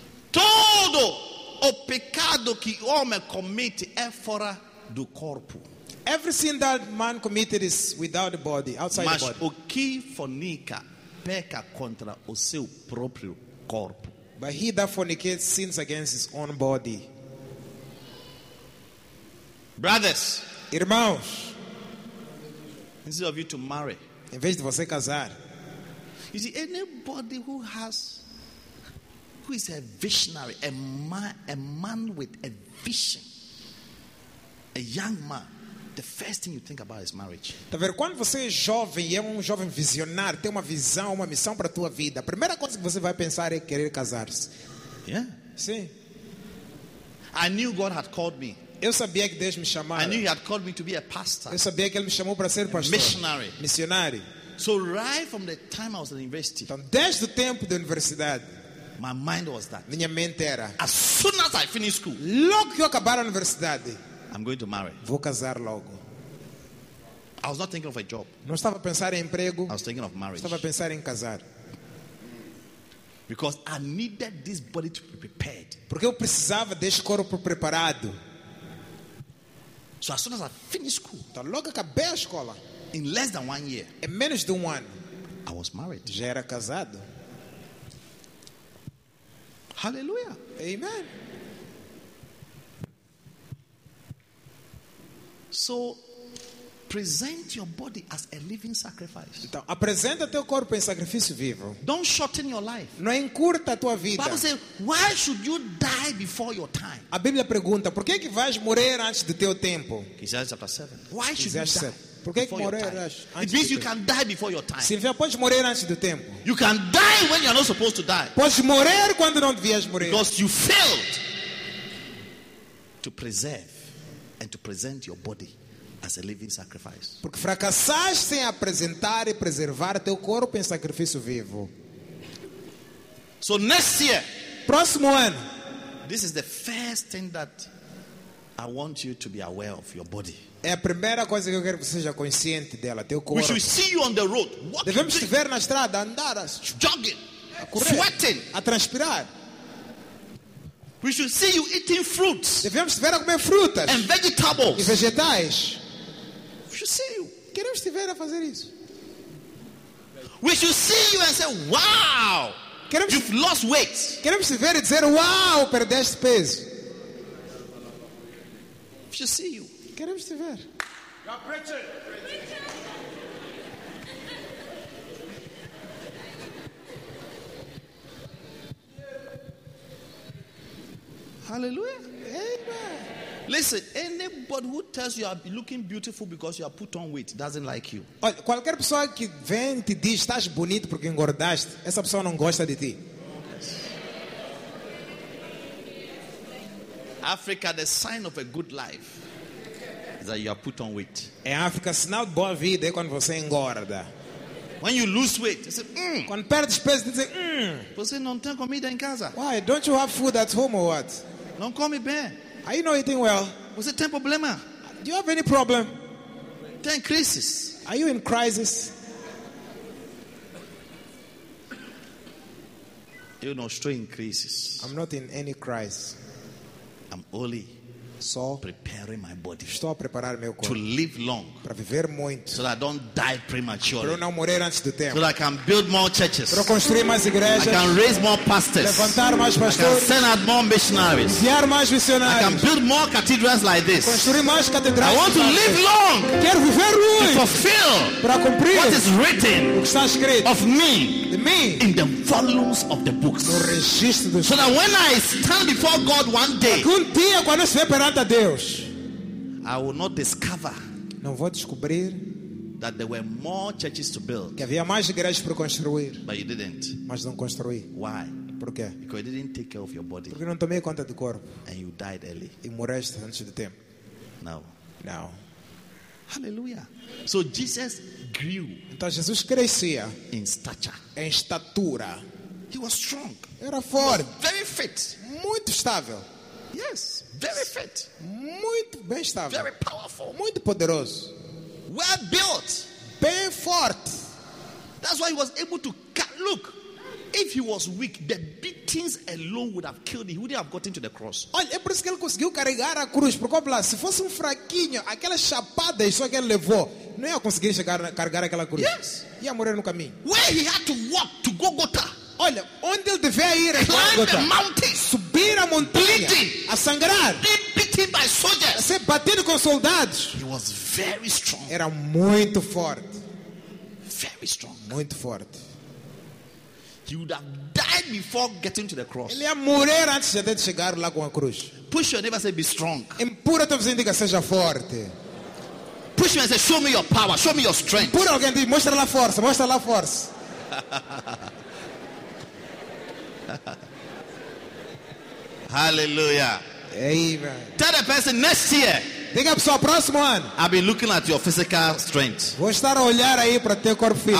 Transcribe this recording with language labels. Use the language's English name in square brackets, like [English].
[Portuguese] Todo o pecado que o homem comete é fora do corpo. [English] Every sin that man committed is without the body, outside [Portuguese] Mas [English] the body. [Portuguese] O que fornica peca contra o seu próprio corpo. [English] But he that fornicates sins against his own body. Brothers, [Portuguese] irmãos, [English] instead of you to marry, [Portuguese] em vez de você casar, [English] you see, anybody who has, who is a visionary, a man with a vision, a young man, the first thing you think about is marriage. [Portuguese] Tá vendo? Quando você é jovem e é um jovem visionário, tem uma visão, uma missão para a tua vida, a primeira coisa que você vai pensar é querer casar-se. [English] Yeah. [Portuguese] Sim. [English] I knew God had called me. [Portuguese] Eu sabia que Deus me chamava. [English] I knew he had called me to be a pastor. [Portuguese] Eu sabia que ele me chamou para ser pastor. [English] Missionary. [Portuguese] Missionário. [English] So right from the time I was in university. [Portuguese] Então, desde o tempo da universidade. [English] My mind was that. [Portuguese] Minha mente era. [English] As soon as I finished school. [Portuguese] Logo que eu acabar a universidade. [English] I'm going to marry. [Portuguese] Vou casar logo. [English] I was not thinking of a job. [Portuguese] Não estava a pensar em emprego. [English] I was thinking of marriage. [Portuguese] Estava a pensar em casar. [English] Because I needed this body to be prepared. [Portuguese] Porque eu precisava deste corpo preparado. [English] So as soon as I finished school. [Portuguese] Então logo acabei a escola. [English] In less than 1 year. [Portuguese] Em menos de 1 ano. [English] I was married. [Portuguese] Já era casado. Hallelujah. Amen. [English] So, present your body as a living sacrifice. [Portuguese] Então, apresenta teu corpo em sacrifício vivo. [English] Don't shorten your life. [Portuguese] Não encurta a tua vida. [English] Bible says, why should you die before your time? [Portuguese] A Bíblia pergunta, por que é que vais morrer antes do teu tempo? [English] Ezequiel chapter 7. Why should you die? [Portuguese] Por que é que morrerás antes? [English] It means you can die before your time. [Portuguese] Significa que podes morrer antes do tempo. [English] You can die when you are not supposed to die. [Portuguese] Podes morrer quando não devias morrer. [English] Because you failed to preserve and to present your body as a living sacrifice. [Portuguese] Porque fracassaste em apresentar e preservar teu corpo em sacrifício vivo. [English] So next year, [Portuguese] próximo ano, [English] this is the first thing that I want you to be aware of your body. [Portuguese] É a primeira coisa que eu quero que você seja consciente dela, teu corpo. [English] We should see you on the road. [Portuguese] Devemos te ver na estrada, andar, [English] jogging, [Portuguese] a correr, [English] sweating, [Portuguese] a transpirar. [English] We should see you eating fruits. [Portuguese] Devemos te ver a comer frutas. [English] And vegetables. [Portuguese] E vegetais. [English] We should see you. [Portuguese] Queremos te ver a fazer isso. [English] We should see you and say, wow. [Portuguese] Queremos [English] you've lost weight. [Portuguese] Queremos te ver e dizer, wow, perdeste peso. [English] We should see you. [Portuguese] Queremos te ver. [English] You're preaching. Hallelujah. Amen. Listen, anybody who tells you are looking beautiful because you are put on weight doesn't like you. [Portuguese] Olha, qualquer pessoa que vem te diz estás bonito porque engordaste, essa pessoa não gosta de ti. [English] Yes. Africa, the sign of a good life is that you are put on weight. [Portuguese] Em África, sinal de boa vida é quando você engorda. [English] When you lose weight, you say, [Portuguese] Quando perdes peso, [English] you say, [Portuguese] Você não tem comida em casa. [English] Why? Don't you have food at home or what? [Portuguese] Não come bem. [English] Are you not eating well? [Portuguese] Você tem problema? [English] Do you have any problem? [Portuguese] Tem crisis. [English] Are you in crisis? You're not straight in crisis. I'm not in any crisis. I'm only [Portuguese] só [English] preparing my body. [Portuguese] Estou a preparar meu corpo [English] to live long, [Portuguese] para viver muito, [English] so that I don't die prematurely, [Portuguese] para eu não morrer antes do tempo, [English] so that I can build more churches, [Portuguese] para construir mais igrejas, [English] I can raise more pastors, [Portuguese] levantar mais pastores, [English] I can send out more missionaries, [Portuguese] enviar mais missionários, [English] I can build more cathedrals like this, [Portuguese] construir mais catedrais. [English] I want to live long, [Portuguese] quero viver muito, [English] to fulfill, [Portuguese] para cumprir [English] what is written, [Portuguese] o que está escrito, [English] of me, [Portuguese] de mim, [English] in the volumes of the books, [Portuguese] no registro dos, [English] so that when I stand before God one day, [Portuguese] algum dia quando eu estiver perante a Deus, [English] I will not discover, [Portuguese] não vou descobrir, [English] that there were more churches to build, [Portuguese] que havia mais igrejas para construir, [English] but you didn't, [Portuguese] mas não construí. [English] Why? [Portuguese] Por quê? [English] Because you didn't take care of your body, [Portuguese] porque não tomei conta do corpo, [English] and you died early, [Portuguese] e morreste antes do tempo. [English] Now, now, hallelujah. So Jesus grew, [Portuguese] então Jesus crescia, [English] in stature, [Portuguese] em estatura. [English] He was strong, [Portuguese] era forte, [English] was very fit, [Portuguese] muito estável. [English] Yes, very fit, [Portuguese] muito bem estável, [English] very powerful, [Portuguese] muito poderoso, [English] well built, [Portuguese] bem forte. [English] That's why he was able to look, if he was weak, the beatings alone would have killed him, he wouldn't have gotten to the cross. [Portuguese] Olha, é por isso que ele conseguiu carregar a cruz, porque se fosse fraquinho, aquela chapada só que ele levou, não ia conseguir chegar, carregar aquela cruz. [English] Yes, [Portuguese] ia morrer no caminho. [English] Where he had to walk to Golgotha. [Portuguese] Olha, onde ele devia ir é [English] Golgotha. Climb the mountains, [Portuguese] subir a montanha, [English] bleeding, [Portuguese] a sangrar, [English] being beaten by soldiers, [Portuguese] a ser batido com soldados. [English] He was very strong. [Portuguese] Era muito forte. [English] Very strong. [Portuguese] Muito forte. [English] He would have died before getting to the cross. [Portuguese] Ele ia morrer antes de chegar lá com a cruz. [English] Push your neighbor, say be strong. [Portuguese] Empurra teu vizinho, diga seja forte. [English] Push him and say show me your power, show me your strength. [Portuguese] Empurra alguém, diga mostra lá força, mostra lá força. Hallelujah. Amen. [English] Tell the person next year, [Portuguese] diga para o próximo ano, [English] I'll be looking at your physical strength. [Portuguese] Vou estar a olhar aí para teu corpo físico.